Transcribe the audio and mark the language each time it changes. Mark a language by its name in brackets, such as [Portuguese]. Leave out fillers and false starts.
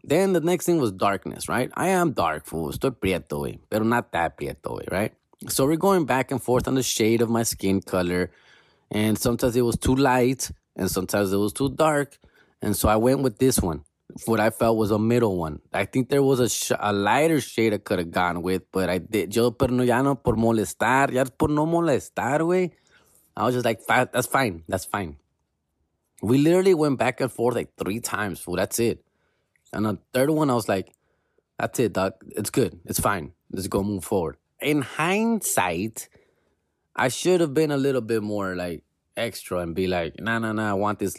[English] Then the next thing was darkness, right? I am dark, fool. [Spanish] Estoy prieto, wey. Pero [English] not that [Spanish] prieto, wey, [English] right? So we're going back and forth on the shade of my skin color. And sometimes it was too light and sometimes it was too dark. And so I went with this one, what I felt was a middle one. I think there was a lighter shade I could have gone with, but I did. [Spanish] Yo, pero no, ya no por molestar, ya por no molestar, güey. [English] I was just like, that's fine, that's fine. We literally went back and forth like 3 times, fool, that's it. And the third one, I was like, that's it, dog. It's good, it's fine. Let's go move forward. In hindsight, I should have been a little bit more like extra and be like, nah, I want this.